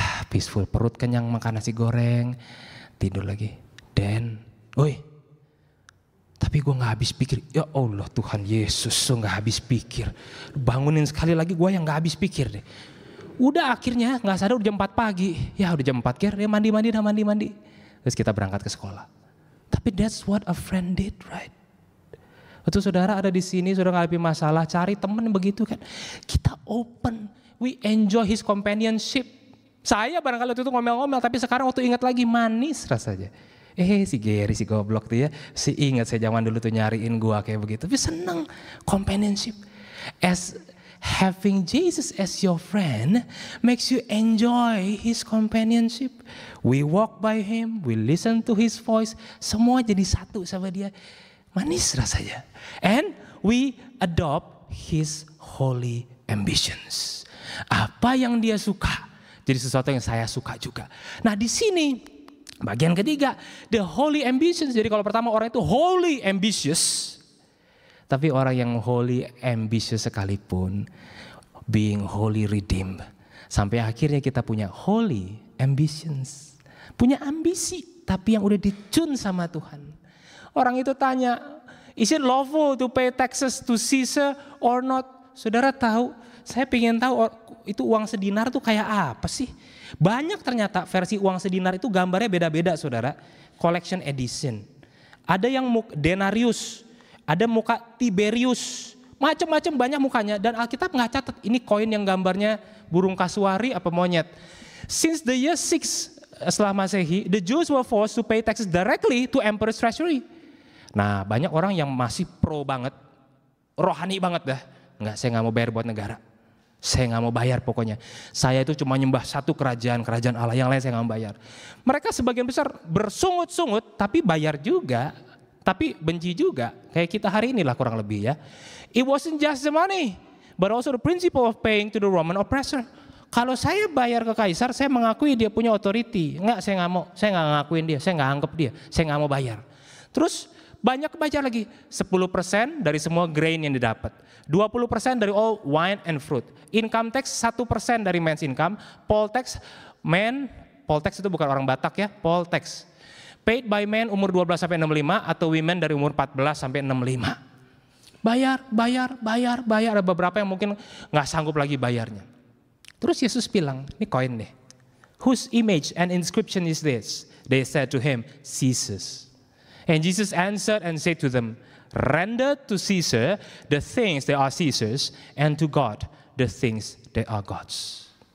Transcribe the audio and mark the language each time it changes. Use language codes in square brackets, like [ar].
[id] Peaceful, perut kenyang makan nasi goreng. Tidur lagi. Dan, woi. Tapi gue gak habis pikir. Ya Allah Tuhan Yesus, gue gak habis pikir. Bangunin sekali lagi gue yang gak habis pikir deh. Udah akhirnya gak sadar udah jam 4 pagi. Ya udah jam 4 kira dia mandi-mandi dah mandi-mandi. Terus kita berangkat ke sekolah. Tapi [en] that's what a friend did, right? [id] Waktu saudara ada di sini sudah gak ada masalah, cari teman begitu kan. Kita open, [en] we enjoy his companionship. [id] Saya barangkali waktu itu ngomel-ngomel, tapi sekarang waktu ingat lagi manis rasanya. Si Gary si goblok tuh ya. Si ingat saya zaman dulu tuh nyariin gua kayak begitu. Tapi seneng [en] companionship as having Jesus as your friend makes you enjoy his companionship. We walk by him, we listen to his voice. [id] Semua jadi satu sama dia. Manis rasanya. [en] And we adopt his holy ambitions. [id] Apa yang dia suka jadi sesuatu yang saya suka juga. Nah, di sini bagian ketiga, the holy ambitions. Jadi kalau pertama orang itu holy ambitious, tapi orang yang holy ambitious sekalipun [en] being holy redeemed, [id] sampai akhirnya kita punya holy ambitions, punya ambisi tapi yang udah di-tune sama Tuhan. [en] Orang itu tanya, is it lawful to pay taxes to Caesar or not? [id] Saudara tahu, saya pengen tahu itu uang sedinar tuh kayak apa sih. Banyak ternyata versi uang sedinar itu gambarnya beda-beda saudara. [en] Collection edition. [id] Ada yang denarius. Ada muka Tiberius. Macam-macam banyak mukanya. Dan Alkitab gak catat ini koin yang gambarnya burung kasuari apa monyet. [en] Since the year 6 [id] setelah masehi, [en] the Jews were forced to pay taxes directly to emperor's treasury. [id] Nah banyak orang yang masih pro banget. Rohani banget dah. Enggak, saya gak mau bayar buat negara. Saya gak mau bayar pokoknya. Saya itu cuma nyembah satu kerajaan, kerajaan Allah, yang lain saya gak mau bayar. Mereka sebagian besar bersungut-sungut, tapi bayar juga, tapi benci juga. Kayak kita hari inilah kurang lebih ya. [en] It wasn't just the money, but also the principle of paying to the Roman oppressor. [id] Kalau saya bayar ke Kaisar, saya mengakui dia punya authority. Enggak, saya gak mau, saya gak ngakuin dia, saya gak anggap dia, saya gak mau bayar. Terus banyak baca lagi, 10% dari semua grain yang didapat. [en] 20% dari all wine and fruit. Income tax 1% dari men's income. Poll tax, men, poll tax [id] itu bukan orang Batak ya, [en] poll tax. Paid by men [id] umur 12-65 atau [en] women [id] dari umur 14-65. Bayar, bayar, bayar, bayar. Ada beberapa yang mungkin gak sanggup lagi bayarnya. Terus Yesus bilang, ini koin deh. [en] Whose image and inscription is this? They said to him, Caesar's. And Jesus answered and said to them, render to Caesar the things that are Caesar's, and to God the things that are God's.